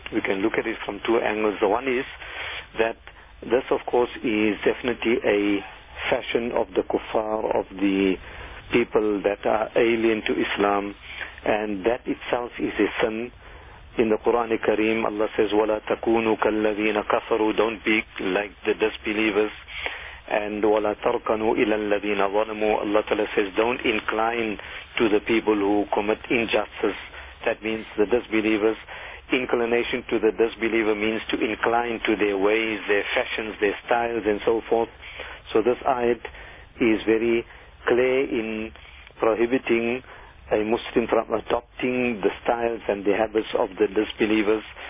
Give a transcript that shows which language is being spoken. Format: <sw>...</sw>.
<en>We can look at it from two angles. The one is that this, of course, is definitely a fashion of the kuffar, of the people that are alien to Islam, and that itself is a sin. In the Quran Kareem, Allah says,</en> <ar>وَلَا تَكُونُوا كَالَّذِينَ كَفَرُوا.</ar> <en>Don't be like the disbelievers. And</en> <ar>وَلَا تَرْكَنُوا إِلَى الَّذِينَ ظَلَمُوا.</ar> <en>Allah Ta'ala says, don't incline to the people who commit injustice. That means the disbelievers. Inclination to the disbeliever means to incline to their ways, their fashions, their styles, and so forth. So this ayat is very clear in prohibiting a Muslim from adopting the styles and the habits of the disbelievers.</en>